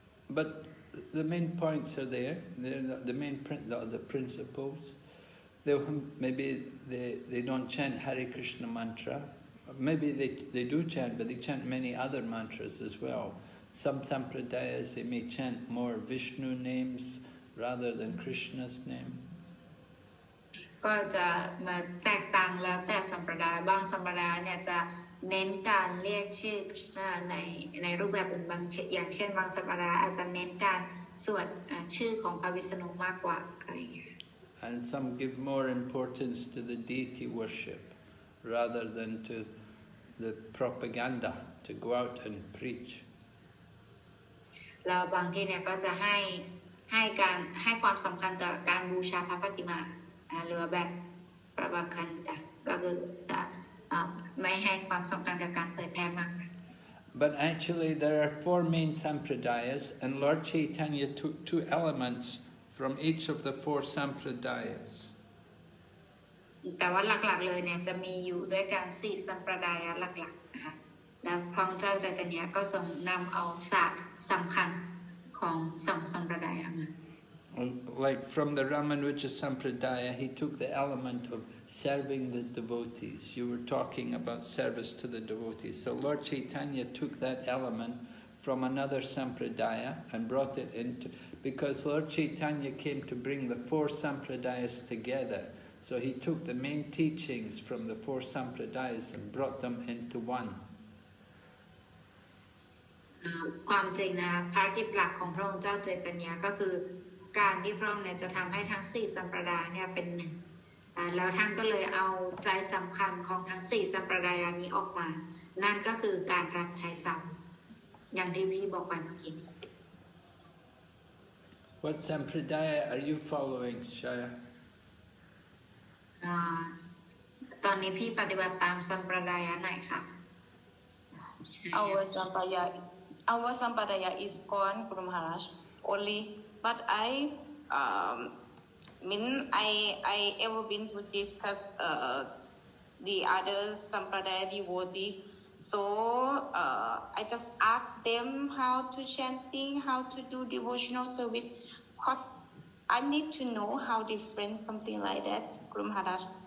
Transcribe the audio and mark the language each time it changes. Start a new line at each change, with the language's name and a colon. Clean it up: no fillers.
English: But the main points are there, the principles. Maybe they don't chant Hare Krishna mantra. Maybe they do chant, but they chant many other mantras as well. Some sampradayas they may chant more Vishnu names rather than Krishna's name.
Thai: ก็จะมาแตกต่างแล้วแต่สัมปรดายบางสัมปรดายเนี่ยจะเน้นการเรียกชื่อ Krishna ในรูปแบบอื่นบางอย่างเช่นบางสัมปรดายอาจจะเน้นการสวดชื่อของพระวิษณุมากกว่า
English: And some give more importance to the deity worship rather than to the propaganda to go out and preach.
Thai: เราบางที่เนี่ยก็จะให้การให้ความสำคัญต่อการบูชาพระปฏิมาเรือแบบประบักันจ้ะก็คือไม่ให้ความสำคัญกับการเผยแพร่มาก
English: But actually there are four main sampradayas and Lord Chaitanya took two elements from each of the four sampradayas
Thai: แต่ว่าหลักๆเลยเนี่ยจะมีอยู่ด้วยกันสี่สัมปรายหลักๆนะคะแล้วพระเจ้าใจตนี้ก็ทรงนำเอาศาสตร์สำคัญของสองสัมปราย
English: Like from the Ramanuja Sampradaya, he took the element of serving the devotees. You were talking about service to the devotees. So Lord Chaitanya took that element from another Sampradaya and brought it into, because Lord Chaitanya came to bring the four Sampradayas together. So he took the main teachings from the four Sampradayas and brought them into one.
Thai: ความจริงนะภารกิจหลักของพระองค์เจ้าเจตนาก็คือการที่พระองค์เนี่ยจะทำให้ทั้งสี่สัมปรายเนี่ยเป็นหนึ่งแล้วท่านก็เลยเอาใจสำคัญของทั้งสี่สัมปรายนี้ออกมานั่นก็คือการรับใช้สัมอย่างที่พี่บอกไปเมื่อกี้
English: What sampradaya are you following Shaya
Thai: ตอนนี้พี่ปฏิบัติตามสัมปรายไหนคะ
English: Our Sampradaya is gone, Guru Maharaj, only, but I, I ever been to discuss the other Sampradaya devotee, so I just asked them how to chanting, how to do devotional service, because I need to know how different, something like that, Guru Maharaj.